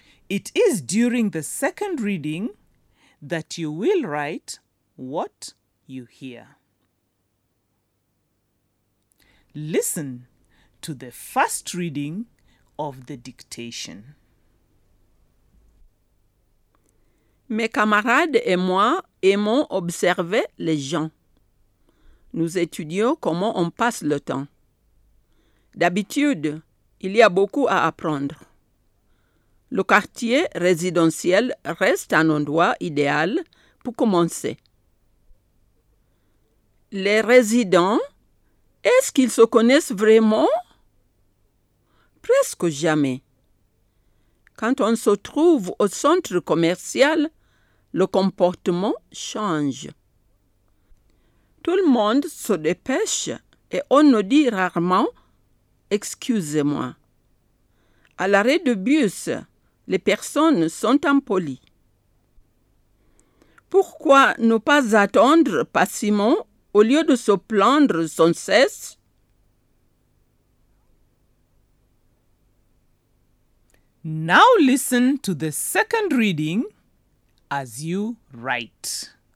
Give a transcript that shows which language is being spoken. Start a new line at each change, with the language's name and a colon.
English: It is during the second reading that you will write what you hear. Listen to the first reading of the dictation.
French: Mes camarades et moi aimons observer les gens. Nous étudions comment on passe le temps. D'habitude, il y a beaucoup à apprendre. Le quartier résidentiel reste un endroit idéal pour commencer. Les résidents, est-ce qu'ils se connaissent vraiment? Presque jamais. Quand on se trouve au centre commercial, le comportement change. Tout le monde se dépêche et on ne dit rarement « excusez-moi ». À l'arrêt de bus, les personnes sont impolies. Pourquoi ne pas attendre patiemment au lieu de se plaindre sans cesse?
English: Now listen to the second reading as you write.